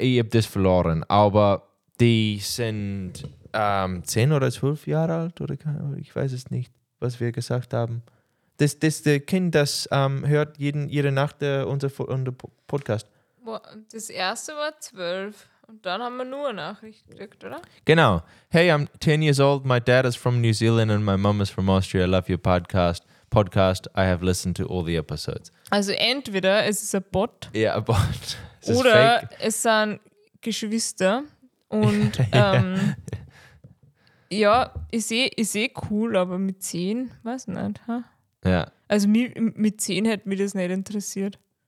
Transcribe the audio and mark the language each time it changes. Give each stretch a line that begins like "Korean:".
German: das verloren, aber die sind 10 oder 12 Jahre alt oder ich weiß es nicht, was wir gesagt haben. Das ist das Kind, das hört jede Nacht unser Podcast. Das erste war 12 und dann haben wir nur eine Nachricht gekriegt, oder? Genau.
English: Hey, I'm 10 years old, my dad is from New Zealand and my mom is from Austria. I love your podcast. I have listened to all the episodes.
German: Also entweder es ist ein Bot. Ja, ein Bot. Oder es sind Geschwister und ja, ich seh cool, aber mit 10, weiß nicht, ha? Huh? Ja. Also mit 10 hätte mich das nicht interessiert.